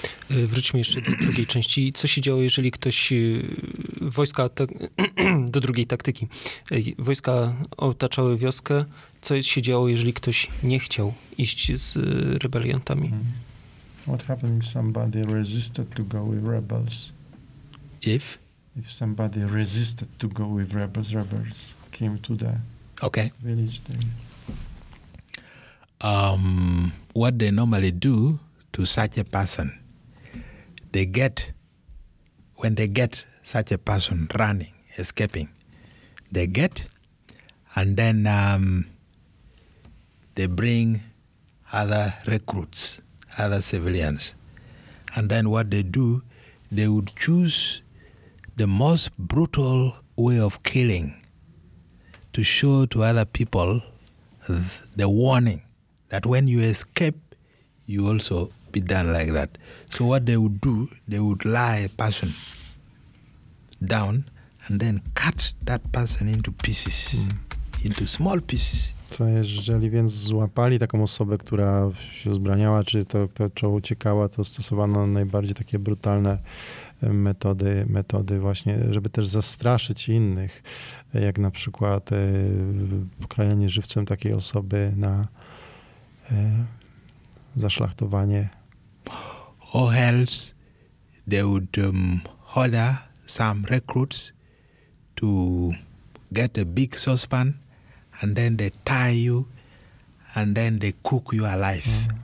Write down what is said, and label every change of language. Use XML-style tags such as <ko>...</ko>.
<pl>Wróćmy jeszcze do drugiej części. Co się działo, jeżeli ktoś wojska, do drugiej taktyki, wojska otaczały wioskę, co się działo, jeżeli ktoś nie chciał iść z rebeliantami? Mm.</pl> <en>What happened if somebody resisted to go with rebels? If? If somebody resisted to go with rebels, rebels came to the village then. What they normally do to such a person, they get, when they get such a person running, escaping, they get, and then they bring other recruits, other civilians. And then what they do, they would choose the most brutal way of killing to show to other people the warning that when you escape, you also be done like that. So what they would do, they would lie a person down and then cut that person into pieces, into small pieces.</en> <pl>Co jeżeli więc złapali taką osobę, która się uzbraniała, czy to, to czoło uciekała, to stosowano najbardziej takie brutalne metody właśnie, żeby też zastraszyć innych, jak na przykład pokrajanie żywcem takiej osoby na zaszlachtowanie.</pl> <en>Or else they would order some recruits to get a big saucepan and then they tie you and then they cook you alive.</en>